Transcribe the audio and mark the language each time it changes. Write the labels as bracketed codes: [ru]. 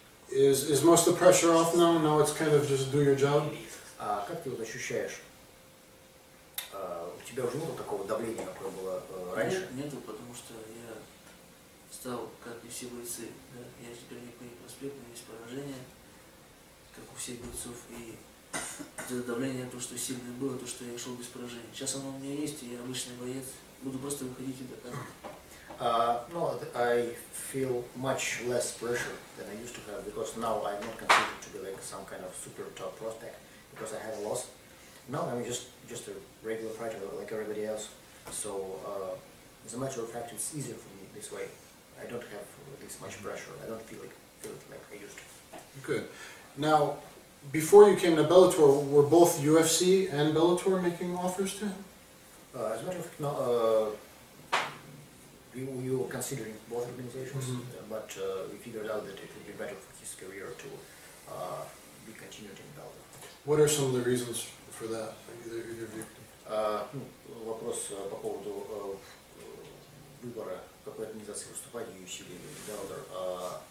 [en] Is most of the pressure off now? Now it's kind of just do your job? [ru] Как ты вот ощущаешь? У тебя уже нет такого давления, какое было раньше? Нету, потому что я стал, как и все бойцы, да? Я теперь не понимаю проспект, но есть поражение, как у всех бойцов. И это давление, то, что сильное было, то, что я шел без поражения. Сейчас оно у меня есть, и я обычный боец. Буду просто выходить и доказывать. [en] No, I feel much less pressure than I used to have, because now I'm not considered to be like some kind of super top prospect, because I had a loss. Now I'm just a regular fighter like everybody else, so as a matter of fact, it's easier for me this way. I don't have this much pressure, I don't feel it like I used to. Good. Now, before you came to Bellator, were both UFC and Bellator making offers to him? As a matter of fact, no. You were considering both organizations, mm-hmm. but we figured out that it would be better for his career to be continued in Bellator. What are some of the reasons for that? Either of you? [ru] Вопрос по поводу выбора какой организации выступать, UFC или Bellator.